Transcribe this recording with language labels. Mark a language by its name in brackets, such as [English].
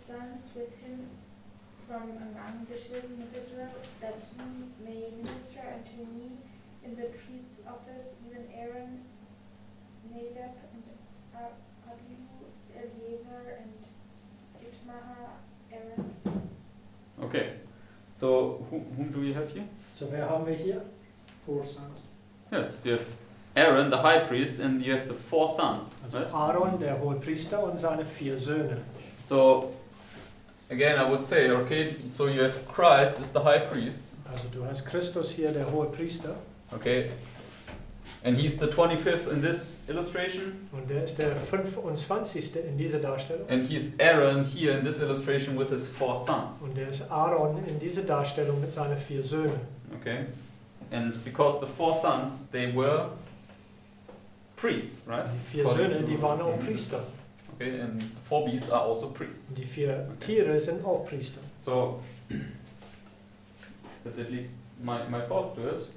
[English] sons with him from among the children of Israel, that he may minister unto me in the priest's office, even Aaron, Nadab, and Abihu, Eleazar, and Itamar, Aaron's sons. Okay. So, whom do we have here? So, where have we here? Four sons. Yes, you have Aaron, the high priest, and you have the four sons. Also right? [German] Aaron, der hohe Priester, und seine vier Söhne. [English] So, again, I would say, okay, so you have Christ as the high priest. [German] Also, du hast Christus hier, der hohe Priester. [English] Okay. And he's the 25th in this illustration. [German] Und der ist der 25. in dieser Darstellung. [English] And he's Aaron here in this illustration with his four sons. [German] Und der ist Aaron in dieser Darstellung mit seinen vier Söhnen. [English] Okay. And because the four sons, they were priests, right? [German] Die vier Söhne, die waren auch Priester. [English] Okay, and the four beasts are also priests. [German] Die vier Tiere sind auch Priester. [English] So, that's at least my thoughts to it.